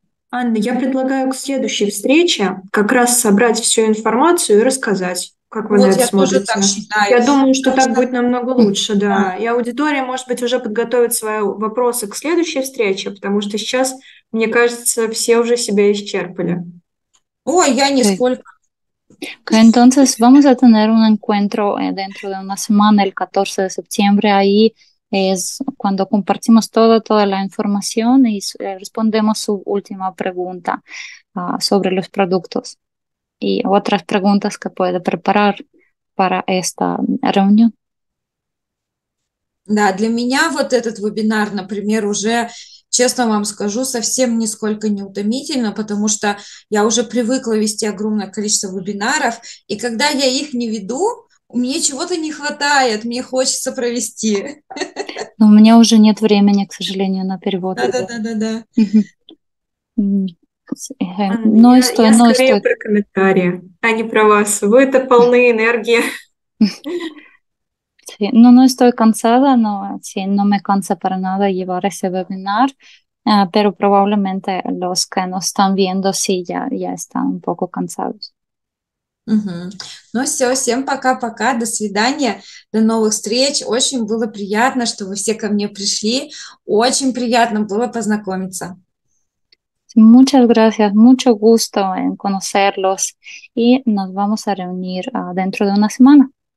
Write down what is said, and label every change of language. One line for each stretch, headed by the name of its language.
Russian: Анна, я предлагаю к следующей встрече как раз собрать всю информацию и рассказать, как вы вот на это смотрите. Тоже так считаю. Я думаю, что точно. Так будет намного лучше, да. И аудитория, может быть, уже подготовит свои вопросы к следующей встрече, потому что сейчас, мне кажется, все уже себя исчерпали. Ой, я нисколько.
Spanish: Entonces vamos a tener un encuentro dentro de una semana, el 14 de septiembre. Ahí es cuando compartimos toda la información y respondemos su última pregunta sobre los productos y otras preguntas que puede preparar para esta reunión.
Russian: Да, для меня вот этот вебинар, например, уже, честно вам скажу, совсем нисколько не утомительно, потому что я уже привыкла вести огромное количество вебинаров, и когда я их не веду, мне чего-то не хватает, мне хочется провести. Но у меня уже нет времени, к сожалению, на перевод. Да-да-да-да-да. Но и стой, но и стой. Я скорее про комментарии, а не про вас. Вы-то полны энергии.
Spanish: Sí, no estoy cansada, no me cansa para nada llevar ese webinar, pero probablemente los que nos están viendo sí ya están un poco cansados.
Russian: Ну все, всем пока-пока, до свидания, до новых встреч. Очень было приятно, что вы все ко мне пришли. Очень приятно было познакомиться.
Spanish: Muchas gracias, mucho gusto en conocerlos y nos vamos a reunir dentro de una semana.